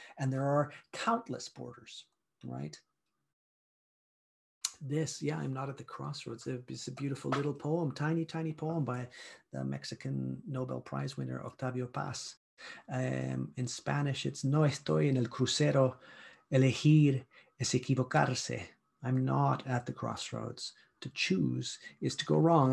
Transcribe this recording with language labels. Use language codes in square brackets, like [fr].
[en] And there are countless borders, right? I'm not at the crossroads. It's a beautiful little poem, tiny, tiny poem by the Mexican Nobel Prize winner, Octavio Paz. In Spanish, it's [es] No estoy en el crucero, elegir es equivocarse. [en] I'm not at the crossroads. To choose is to go wrong.